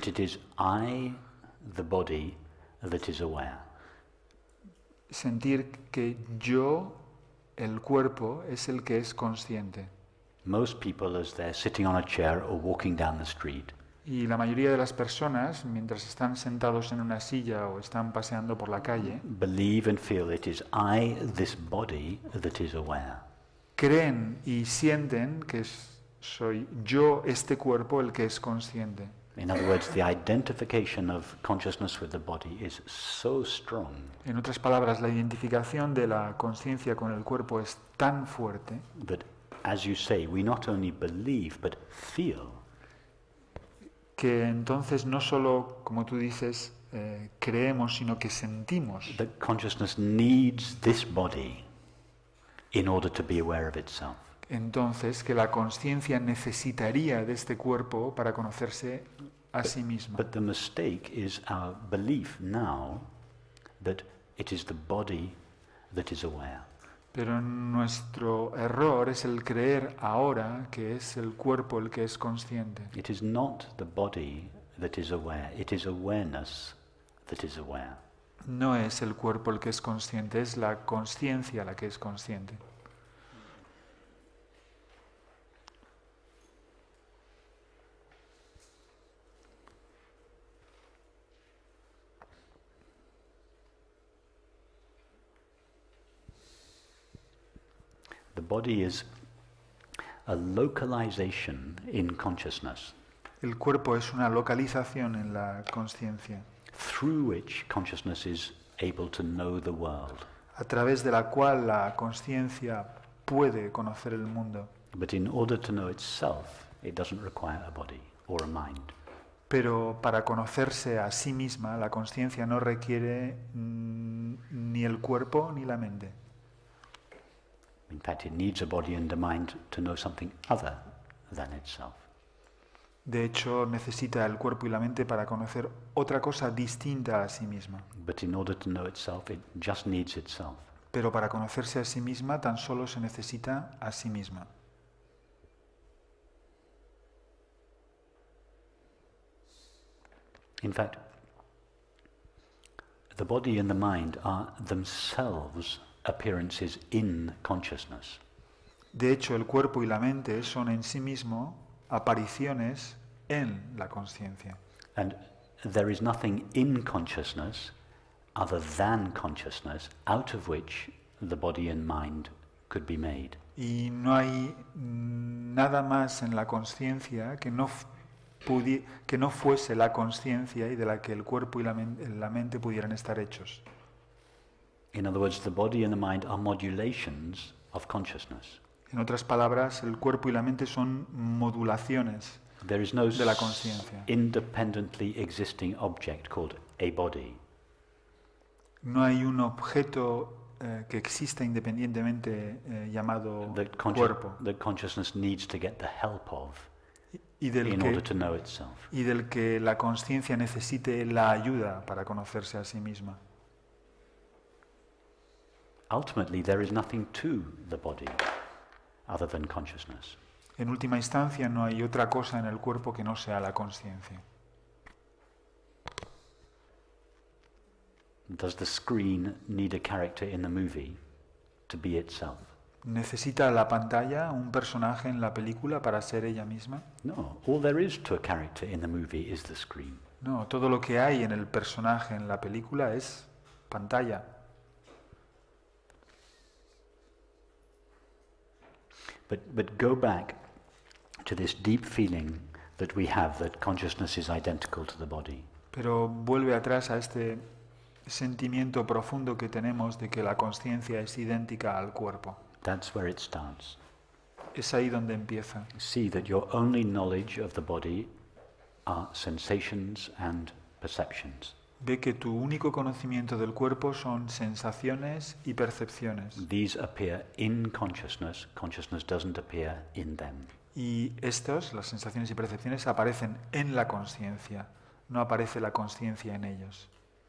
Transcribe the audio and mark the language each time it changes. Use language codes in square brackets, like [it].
[en] that it is I, the body, that is aware. [es] Sentir que yo, el cuerpo, es el que es consciente. [en] Most people, as they're sitting on a chair or walking down the street, [es] y la mayoría de las personas, mientras están sentados en una silla o están paseando por la calle, [en] believe and feel it is I, this body, that is aware. [es] Creen y sienten que soy yo, este cuerpo, el que es consciente. [en] In other words, the identification of consciousness with the body is so strong. [es] En otras palabras, la identificación de la conciencia con el cuerpo es tan fuerte [en] that, as you say, we not only believe but feel. [es] Que entonces no solo, como tú dices, creemos, sino que sentimos. [en] That consciousness needs this body in order to be aware of itself. [es] Entonces, que la conciencia necesitaría de este cuerpo para conocerse a sí misma. [en] But the mistake is our belief now that it is the body that is aware. [es] Pero nuestro error es el creer ahora que es el cuerpo el que es consciente. [en] It is not the body that is aware. It is awareness that is aware. [es] No es el cuerpo el que es consciente, es la conciencia la que es consciente. [en] The body is a localization in consciousness. [es] El cuerpo es una localización en la consciencia. [en] Through which consciousness is able to know the world. [es] A través de la cual la consciencia puede conocer el mundo. [en] But in order to know itself, it doesn't require a body or a mind. [es] Pero para conocerse a sí misma, la consciencia no requiere ni el cuerpo ni la mente. [en] In fact, it needs a body and a mind to know something other than itself. [es] De hecho, necesita el cuerpo y la mente para conocer otra cosa distinta a sí misma. [en] But in order to know itself, it just needs itself. [es] Pero para conocerse a sí misma, tan solo se necesita a sí misma. [en] In fact, the body and the mind are themselves appearances in consciousness. [es] De hecho, el cuerpo y la mente son en sí mismo apariciones en la conciencia. [en] And there is nothing in consciousness other than consciousness out of which the body and mind could be made. [es] Y no hay nada más en la conciencia que no fuese la conciencia y de la que el cuerpo y la mente pudieran estar hechos. [en] In other words, the body and the mind are modulations of consciousness. [es] En otras palabras, el cuerpo y la mente son modulaciones de la conciencia. [en] There is no independently existing object called a body. [es] No hay un objeto que exista independientemente llamado cuerpo. [en] That consciousness needs to get the help of in order to know itself. [es] Y del que la conciencia necesite la ayuda para conocerse a sí misma. [en] Ultimately, there is nothing to the body other than consciousness. [es] En última instancia, no hay otra cosa en el cuerpo que no sea la conciencia. [en] Does the screen need a character in the movie to be itself? [es] ¿Necesita la pantalla un personaje en la película para ser ella misma? [en] No, all there is to a character in the movie is the screen. [es] No, todo lo que hay en el personaje en la película es pantalla. [en] But go back to this deep feeling that we have that consciousness is identical to the body. [es] Pero vuelve atrás a este sentimiento profundo que tenemos de que la conciencia es idéntica al cuerpo. [en] That's where it starts. [es] Es ahí donde empieza. [en] See that your only knowledge of the body are sensations and perceptions. [es] Ve que tu único conocimiento del cuerpo son sensaciones y percepciones. [en] These appear in consciousness. Consciousness doesn't appear in them. [es] Y estas, las sensaciones y percepciones, aparecen en la conciencia. No aparece la conciencia en ellos.